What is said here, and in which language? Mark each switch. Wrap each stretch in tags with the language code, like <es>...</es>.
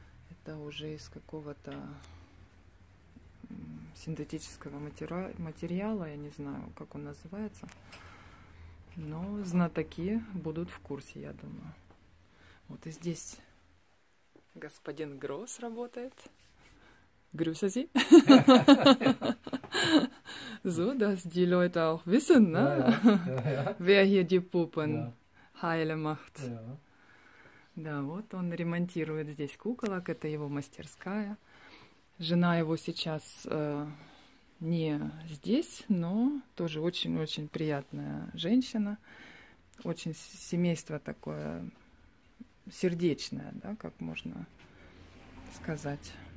<ru>Это уже из какого-то синтетического материала, я не знаю, как он называется. Но знатоки будут в курсе, я думаю. Вот и здесь господин Гросс работает.</ru> <de>Грюсази. So, dass die Leute auch wissen, ne? Wer hier die Puppen Heile macht. Ja.</de> <ru>Да, вот он ремонтирует здесь куколок, это его мастерская. Жена его сейчас не здесь, но тоже очень-очень приятная женщина. Очень семейство такое сердечное, да, как можно сказать.</ru>